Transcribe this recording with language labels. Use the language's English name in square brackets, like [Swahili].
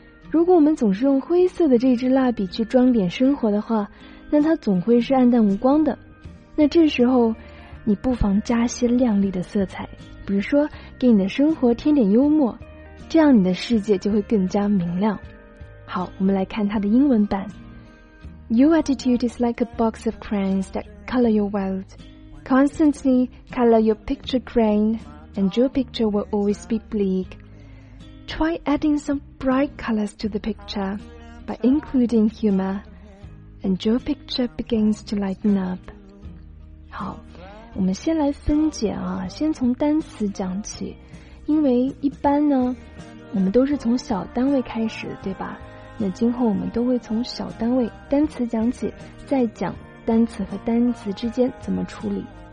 [Chinese] 如果我们总是用灰色的这支蜡笔去装点生活的话，那它总会是暗淡无光的。那这时候你不妨加些亮丽的色彩，比如说给你的生活添点幽默，这样你的世界就会更加明亮。好，我们来看它的英文版。 [English] Your attitude is like a box of crayons that color your world. Constantly color your picture crayon and your picture will always be bleak. Try adding some bright colors to the picture by including humorAnd your picture begins to lighten up. [Chinese] 好，我们先来分解啊，先从单词讲起。因为一般呢，我们都是从小单位开始，对吧？那今后我们都会从小单位单词讲起，再讲单词和单词之间怎么处理。